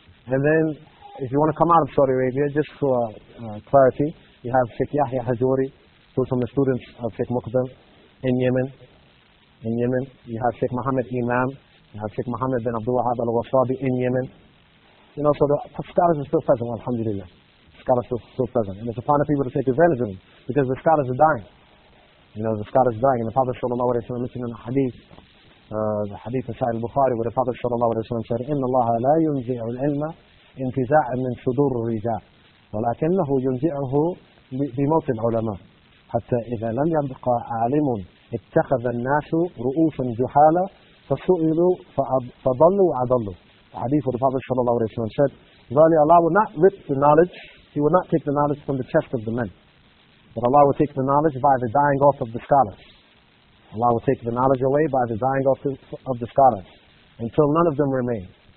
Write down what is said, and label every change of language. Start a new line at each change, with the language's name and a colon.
English: And then, if you want to come out of Saudi Arabia, just for clarity, you have Sheikh Yahya Hajouri, who's from the students of Sheikh Muqbil in Yemen. In Yemen, you have Sheikh Mohammed Imam, you have Sheikh Mohammed bin Abdul Wahab al-Wasabi in Yemen. You know, so the scholars are still present, alhamdulillah. The scholars are still present. And it's upon the people to take advantage of them, because the scholars are dying. You know, the scholars are dying. And the Prophet sallallahu alayhi wa sallam mentioned in the hadith of Sahih al-Bukhari, where the Prophet sallallahu alayhi wa sallam said,
Arabic: إِنَّ اللَّهَ لَا يُنْزِعُ الْعِلْمَ انْتِزَاعًا مِنْ صُدُورِ الرِّجَالِ وَلَكِنَّهُ يُنْزِعُهُ بِمَوْتِ الْعُلَمَاءِ حَتَّى إِذَا لَمْ يَبْقَ عَالِمٌ اتخذ الناس رؤوسا جحالا فسئلوا فضلوا وعضلوا.
English: The hadith of the Prophet sallallahu alayhi wa sallam said, verily Allah will not rip the knowledge, He will not take the knowledge from the chest of the men. But Allah will take the knowledge by the dying off of the scholars. Allah will take the knowledge away by the dying off of the scholars, until none of them remain.